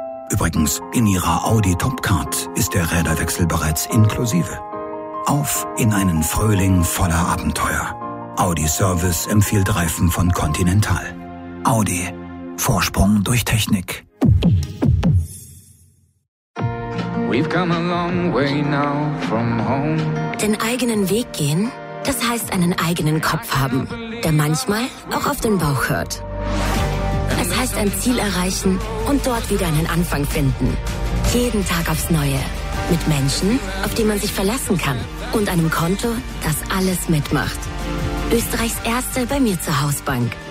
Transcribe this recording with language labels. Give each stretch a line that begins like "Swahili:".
German: Übrigens, in Ihrer Audi Topcard ist der Räderwechsel bereits inklusive. Auf in einen Frühling voller Abenteuer. Audi Service empfiehlt Reifen von Continental. Audi. Vorsprung durch Technik.
English: We've come a long way now from home.
German: Den eigenen Weg gehen, das heißt einen eigenen Kopf haben, der manchmal auch auf den Bauch hört. Das heißt, ein Ziel erreichen und dort wieder einen Anfang finden. Jeden Tag aufs Neue. Mit Menschen, auf die man sich verlassen kann. Und einem Konto, das alles mitmacht. Österreichs erste bei mir zur Hausbank.